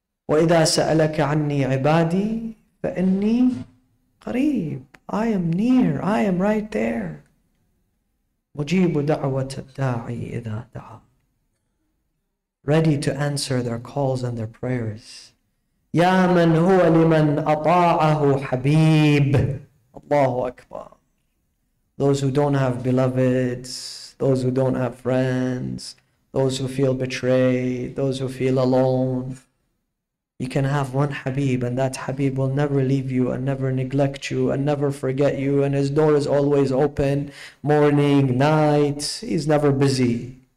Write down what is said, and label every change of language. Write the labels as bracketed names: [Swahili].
[Arabic] وَإِذَا سَأَلَكَ عَنِّي عِبَادِي فَإِنِّي قَرِيبٌ [English] I am near, I am right there. [Arabic] مُجِيبُ دَعْوَةَ الدَّاعِي إِذَا دَعَى [English] Ready to answer their calls and their prayers. [Arabic] يَا مَنْ هُوَ لِمَنْ أَطَاعَهُ حَبِيبٌ Allahu Akbar. [English] Those who don't have beloveds, those who don't have friends, those who feel betrayed, those who feel alone. You can have one Habib and that Habib will never leave you and never neglect you and never forget you and his door is always open, morning, night, he's never busy.